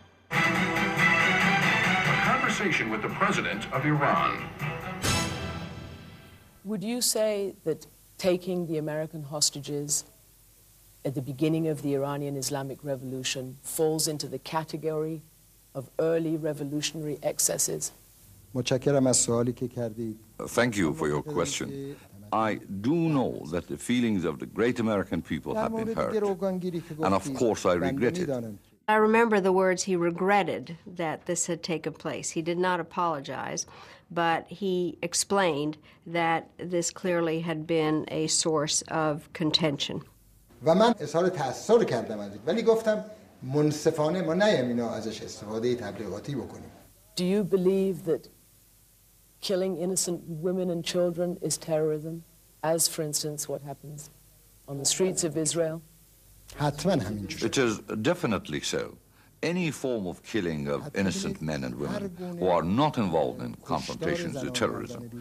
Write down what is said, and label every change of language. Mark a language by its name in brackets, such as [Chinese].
[English] A conversation with the president of Iran. Would you say that taking the American hostages at the beginning of the Iranian Islamic Revolution falls into the category of early revolutionary excesses? [Persian] متشکرم از سوالی که کردید. [English] Thank you for your question. I do know that the feelings of the great American people have been hurt. And of course I regret it. I remember the words he regretted that this had taken place. He did not apologize, but he explained that this clearly had been a source of contention. [Persian] و من اظهار تأثیر کردم از این. ولی گفتم منصفانه ما نیم اینا ازش استفاده تبلیغاتی بکنیم. [English] Do you believe that killing innocent women and children is terrorism, as for instance what happens on the streets of Israel? It is definitely so. Any form of killing of innocent men and women who are not involved in confrontations is terrorism.